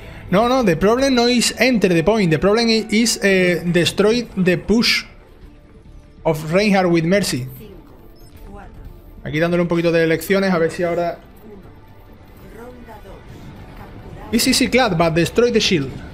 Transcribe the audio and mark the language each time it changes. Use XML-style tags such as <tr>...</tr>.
<en>No, no, the problem no is enter the point. The problem is destroy the push of Reinhardt with Mercy.</en> <es>Aquí dándole un poquito de lecciones, a ver si ahora...</es> <en>It's easy clad, but destroy the shield.</en>